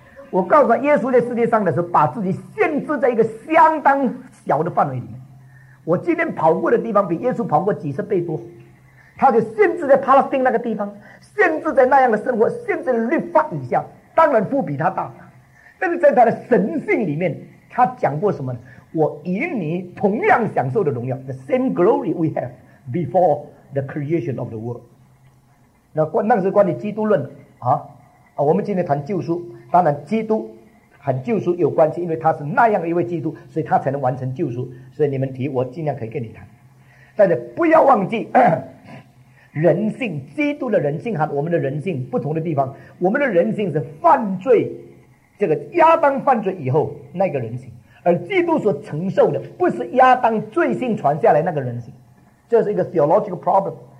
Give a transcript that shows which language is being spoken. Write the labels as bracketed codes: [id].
[zh] 我告诉他，耶稣在世界上的时候把自己限制在一个相当小的范围里面。我今天跑过的地方比耶稣跑过几十倍多，他就限制在帕拉斯丁那个地方，限制在那样的生活，限制律法以下，当然父比他大。但是在他的神性里面，他讲过什么呢？我与你同样享受的荣耀， [en] The same glory we have before the creation of the world。 [zh] 那是关于基督论啊，我们今天谈救赎，当然基督和救赎有关系，因为他是那样一位基督，所以他才能完成救赎，所以你们提我尽量可以跟你谈。但是不要忘记人性，基督的人性和我们的人性不同的地方，我们的人性是犯罪，这个亚当犯罪以后那个人性，而基督所承受的不是亚当罪性传下来那个人性，这是一个 [en] theological problem。